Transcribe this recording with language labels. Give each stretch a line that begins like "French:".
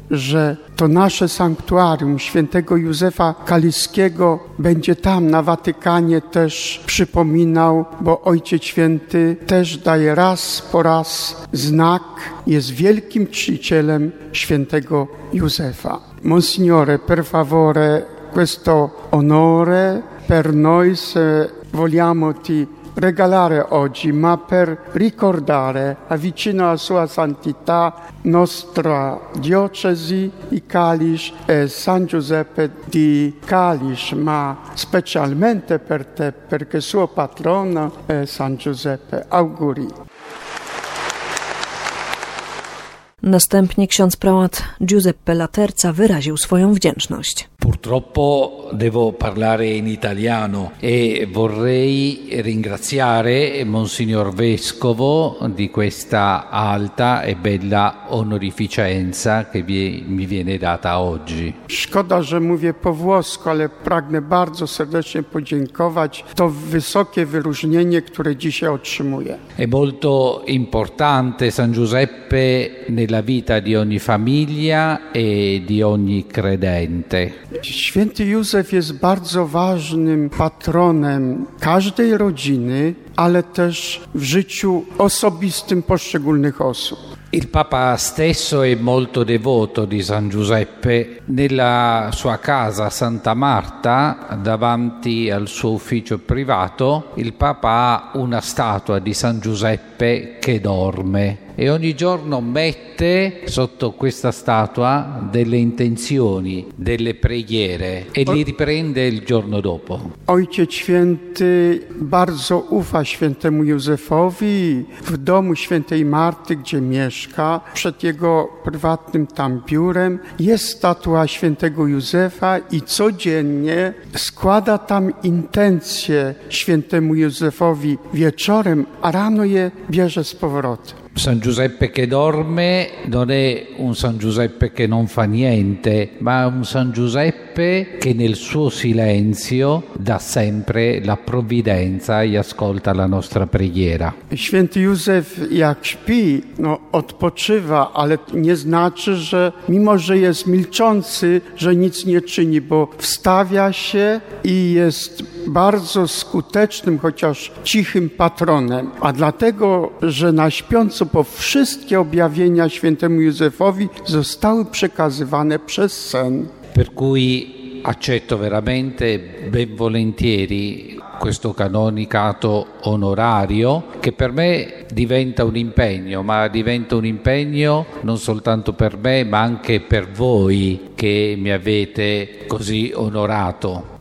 Polish: Że to nasze sanktuarium świętego Józefa Kaliskiego będzie tam na Watykanie też przypominał, bo Ojciec Święty też daje raz po raz znak, jest wielkim czcicielem świętego Józefa.
Italian: Monsignore, per favore, questo onore, per noi se vogliamo ti regalare oggi, ma per ricordare avvicino a sua santità nostra diocesi di Calis e San Giuseppe di Calis, ma specialmente per te, perché suo patrono è San Giuseppe. Auguri.
Polish: Następnie ksiądz prałat Giuseppe Laterza wyraził swoją wdzięczność.
Italian: Purtroppo devo parlare in italiano e vorrei ringraziare Monsignor Vescovo di questa alta e bella onorificenza che mi viene data oggi.
Polish: Szkoda, że mówię po włosku, ale pragnę bardzo serdecznie podziękować to wysokie wyróżnienie, które dzisiaj otrzymuję.
Italian: È molto importante San Giuseppe nella vita di ogni famiglia e di ogni credente.
Polish: Święty Józef jest bardzo ważnym patronem każdej rodziny, ale też w życiu osobistym poszczególnych osób.
Italian: Il Papa stesso è molto devoto di San Giuseppe. Nella sua casa Santa Marta, davanti al suo ufficio privato, il Papa ha una statua di San Giuseppe che dorme. E ogni giorno mette sotto questa statua delle intenzioni, delle preghiere e li riprende il giorno dopo.
Polish: Ojciec Święty bardzo ufa świętemu Józefowi w domu świętej Marty, gdzie mieszka, przed jego prywatnym tam biurem jest statua świętego Józefa i codziennie składa tam intencje świętemu Józefowi wieczorem, a rano je bierze z powrotem.
Italian: San Giuseppe che dorme non è un San Giuseppe che non fa niente, ma un San Giuseppe Giuseppe che nel suo silenzio dà sempre la provvidenza e ascolta la nostra preghiera.
Polish: Święty Józef jak śpi, no odpoczywa, ale nie znaczy, że mimo że jest milczący, że nic nie czyni, bo wstawia się i jest bardzo skutecznym, chociaż cichym patronem. A dlatego, że na śpiąco, bo wszystkie objawienia świętemu Józefowi zostały przekazywane przez sen.
Italian: Per cui accetto veramente ben volentieri questo canonicato onorario, che per me diventa un impegno, ma diventa un impegno non soltanto per me, ma anche per voi che mi avete così onorato.